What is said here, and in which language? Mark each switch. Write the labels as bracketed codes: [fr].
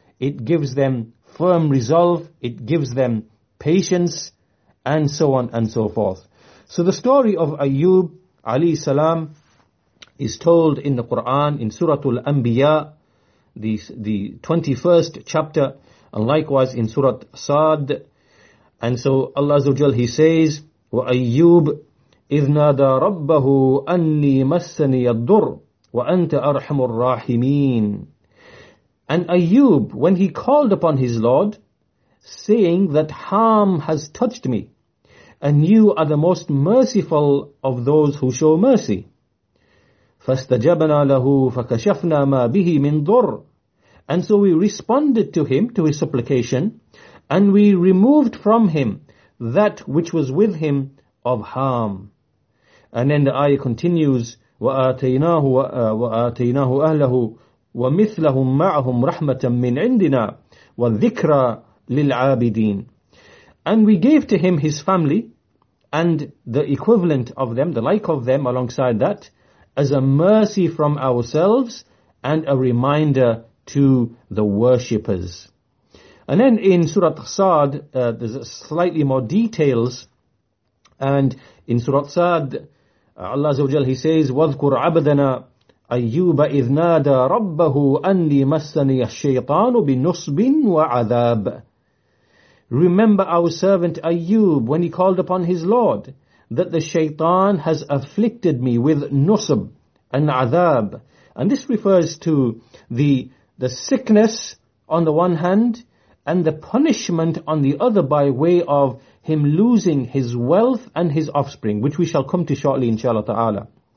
[en] It gives them firm resolve. It gives them patience, and so on and so forth. So the story of Ayyub alayhi salam is told in the Quran in Surah Al-Anbiya, the 21st chapter, and likewise in Surah Sad. And so Allah Azza wa Jal, he says, [ar] وَأَيُّوب إِذْ نَادَى رَبَّهُ أَنِّي مَسَّنِيَ الضُّرُّ وَأَنْتَ أَرْحَمُ الرَّاحِمِينَ. [en] And Ayyub, when he called upon his Lord, saying that harm has touched me, and you are the most merciful of those who show mercy. [ar] فَاسْتَجَبْنَا لَهُ فَكَشَفْنَا مَا بِهِ مِنْ ضُرُّ. [en] And so we responded to him, to his supplication, and we removed from him that which was with him of harm. And then the ayah continues, [ar] وَآتَيْنَاهُ أَهْلَهُ وَمِثْلَهُمْ مَعْهُمْ رَحْمَةً مِّنْ عِنْدِنَا وَالذِّكْرَى لِلْعَابِدِينَ. [en] And we gave to him his family and the equivalent of them, the like of them alongside that, as a mercy from ourselves and a reminder to the worshippers. And then in Surah Sad, there's slightly more details. And in Surah Sad, Allah Azza wa Jal, he says, [ar] وَذْكُرْ عَبْدَنَا أَيُّوبَ إِذْ نَادَى رَبَّهُ أَنِّي مَسَّنِيَ الشَّيْطَانُ بِنُصْبٍ وَعَذَابٍ. [en] Remember our servant Ayyub when he called upon his Lord, that the shaitan has afflicted me with nusb and azab. And this refers to the sickness on the one hand, and the punishment on the other by way of him losing his wealth and his offspring, which we shall come to shortly inshallah ta'ala.